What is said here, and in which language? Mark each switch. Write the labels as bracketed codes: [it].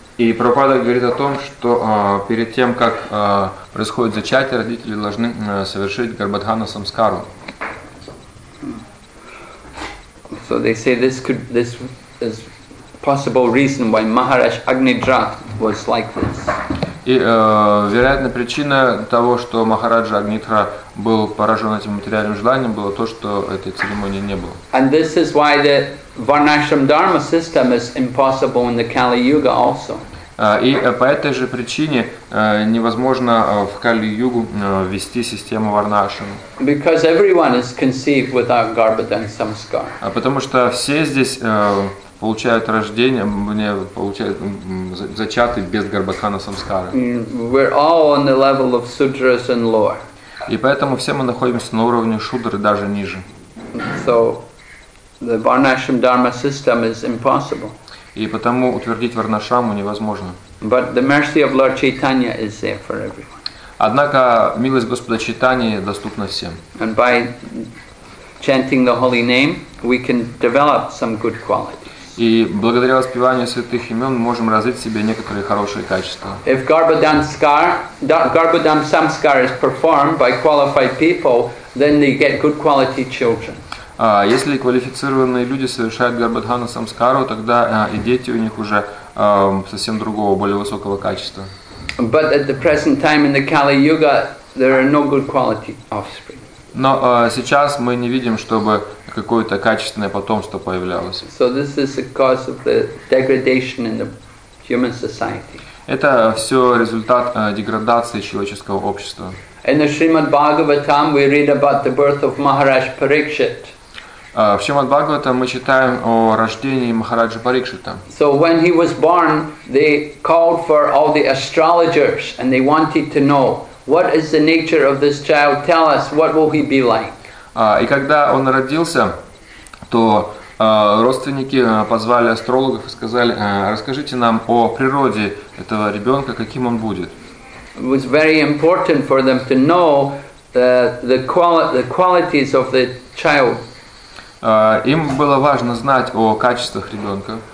[ru] И Прабхупада говорит о том, что перед тем, как происходит зачатие, родители должны совершить Гарбхадхана Самскару. [en] So they say this is possible reason why Maharaj Agnidra was like this. [ru] И вероятная причина того, что Махараджа Агнитра был поражен этим материальным желанием, было то, что этой церемонии не было. [en] And this is why the Varnashram Dharma system is impossible in the Kali Yuga also. [ru] И по этой же причине невозможно в Кали-Югу ввести систему Варнашрама. [en] Because everyone is conceived without Garbhadhan Samskar. [ru] Потому что все здесь получают рождение, мне получают зачаты без Гарбхадхана Самскары. [en] We're all on the level of Sudras and lower. [ru] И поэтому все мы находимся на уровне Шудры, даже ниже. [en] So the Varnashram Dharma system is impossible. [ru] И потому утвердить Варнашраму невозможно. [en] But the mercy of Lord Chaitanya is there for everyone. [ru] Однако милость Господа Чайтаньи доступна всем. [en] And by chanting the holy name, we can develop some good qualities. [ru] И благодаря воспеванию святых имен мы можем развить в себе некоторые хорошие качества. [en] If Garbhadhan Samskar is performed by qualified people, then they get good quality children. [ru] Если квалифицированные люди совершают Гарбхадхана Самскару, тогда и дети у них уже совсем другого, более высокого качества. [en] But at the present time in the Kali Yuga, there are no good quality offspring. [ru] Но сейчас мы не видим, чтобы какое-то качественное потомство появлялось. [en] So this is the cause of the degradation in the human society. [ru] Это все результат деградации человеческого общества. [en] In the Srimad Bhagavatam we read about the birth of Maharaj Parikshit. [ru] В Шримад Бхагаватам мы читаем о рождении Махараджи Парикшита. [en] So when he was born, they called for all the astrologers and they wanted to know, what is the nature of this child? Tell us, what will he be like? [ru] И когда он родился, то родственники позвали астрологов и сказали, расскажите нам о природе этого ребенка, каким он будет. [en] It was very important for them to know the qualities of the child. [ru] Им было важно знать о качествах ребенка.